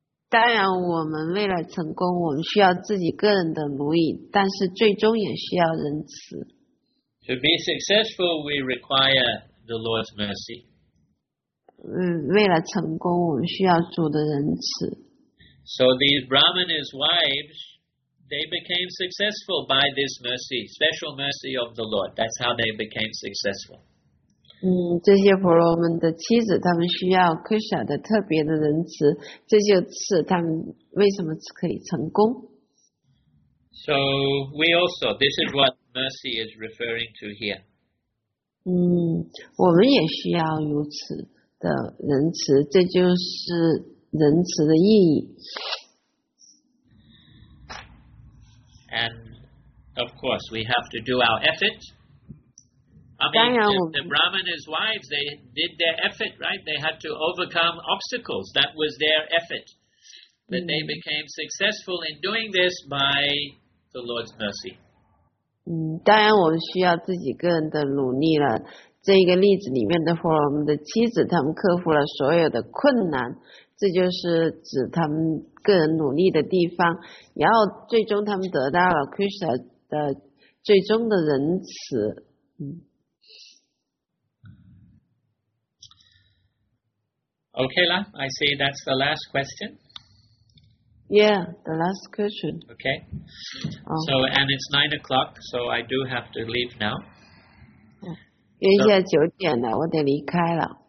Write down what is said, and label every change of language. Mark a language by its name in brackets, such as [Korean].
[Chinese] 当然我们为了成功我们需要自己个人的努力但是最终也需要仁慈 [English] To be successful we require the Lord's mercy [Chinese] 为了成功我们需要主的仁慈 [English] So these Brahmanas' wives they became successful by this mercy special mercy of the Lord that's how they became successful [Chinese] 这些婆罗门的妻子他们需要 Krishna 的特别的仁慈这就是他们为什么可以成功 [English] So So we also, this is what mercy is referring to here. [Chinese] 我们也需要如此的仁慈，这就是仁慈的意义。 [English] And of course, we have to do our effort. I mean, the Brahmanas' wives, they did their effort, right? They had to overcome obstacles. That was their effort. But they became successful in doing this by the Lord's mercy. [Chinese] 当然我们需要自己个人的努力了。这个例子里面的话，我们的妻子他们克服了所有的困难。这就是指他们个人努力的地方，然后最终他们得到了 Krishna 的最终的仁慈。 [English] Okay, la, I see that's the last question. Yeah, the last question. Okay. So, and it's 9 o'clock, so I do have to leave now. [Chinese] 因为现在九点了，我得离开了。